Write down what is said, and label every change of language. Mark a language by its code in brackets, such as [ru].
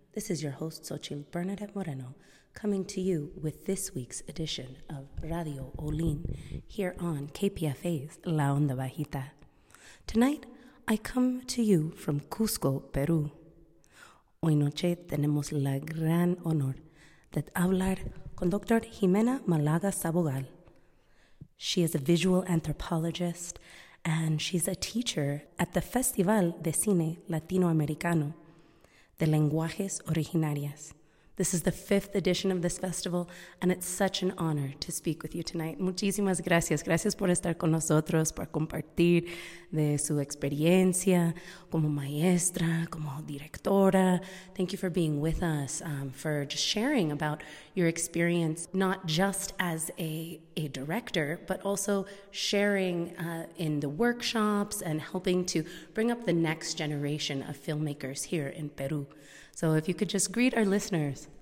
[en] This is your host, Xochitl Bernadette Moreno, coming to you with this week's edition of Radio Olin here on KPFA's La Onda Bajita. Tonight, I come to you from Cusco, Peru. [es] Hoy noche tenemos la gran honor de hablar con Dr. [en] Jimena Malaga Sabogal. She is a visual anthropologist, and she's a teacher at the Festival de Cine Latinoamericano de Lenguajes Originarias. This is the fifth edition of this festival, and it's such an honor to speak with you tonight. [es] Muchísimas gracias. Gracias por estar con nosotros, por compartir de su experiencia como maestra, como directora. [en] Thank you for being with us, for just sharing about your experience, not just as a director, but also sharing in the workshops and helping to bring up the next generation of filmmakers here in Peru. So if you could just greet our listeners.